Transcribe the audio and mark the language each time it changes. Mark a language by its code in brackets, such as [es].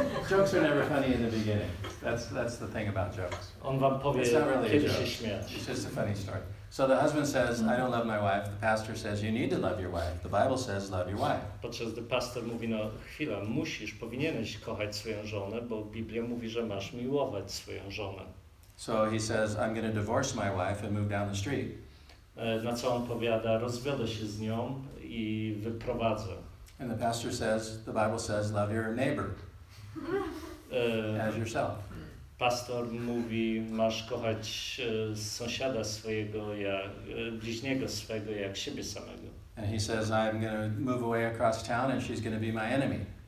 [en] Jokes are never funny in the beginning. That's the thing about jokes. [pl] On wam powie, [en] it's not really [pl] kiedy [en] a joke. [pl] Się śmiać. [en] It's just a funny story. So the husband says, I don't love my wife. The pastor says, you need to love your wife. The Bible says, love your wife. [pl] Podczas gdy pastor mówi, no chwila, musisz, powinieneś kochać swoją żonę, bo Biblia mówi, że masz miłować swoją żonę. [en] So he says, I'm going to divorce my wife and move down the street. [pl] Na co on powiada, rozwiodę się z nią i wyprowadzę. [en] And the pastor says, the Bible says, love your neighbor as yourself. [pl] Pastor mówi, masz kochać sąsiada swojego, bliźniego swego, jak siebie samego. [en] And he says, I'm going to move away across town and she's going to be my enemy.